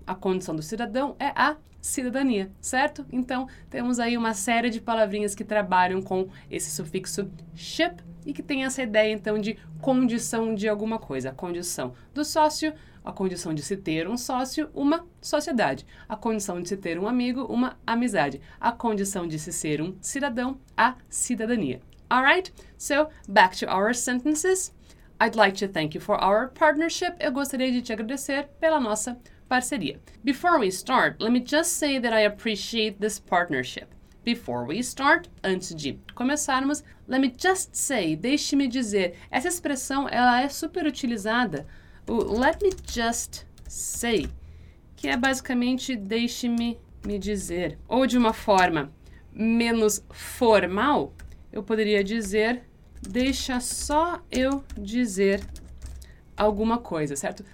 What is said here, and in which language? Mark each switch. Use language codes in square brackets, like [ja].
[pt] A condição do cidadão é a cidadania, certo? Então, temos aí uma série de palavrinhas que trabalham com esse sufixo ship e que tem essa ideia, então, de condição de alguma coisa. A condição do sócio, a condição de se ter um sócio, uma sociedade. A condição de se ter um amigo, uma amizade. A condição de se ser um cidadão, a cidadania. [en] All right, so back to our sentences. I'd like to thank you for our partnership. [pt] Eu gostaria de te agradecer pela nossa parceria. [en] Before we start, let me just say that I appreciate this partnership. Before we start, [pt] antes de começarmos, [en] let me just say, [pt] deixe-me dizer. Essa expressão, ela é super utilizada. O [en] let me just say, [pt] que é basicamente deixe-me me dizer. Ou de uma forma menos formal, eu poderia dizer, deixa só eu dizer alguma coisa, certo?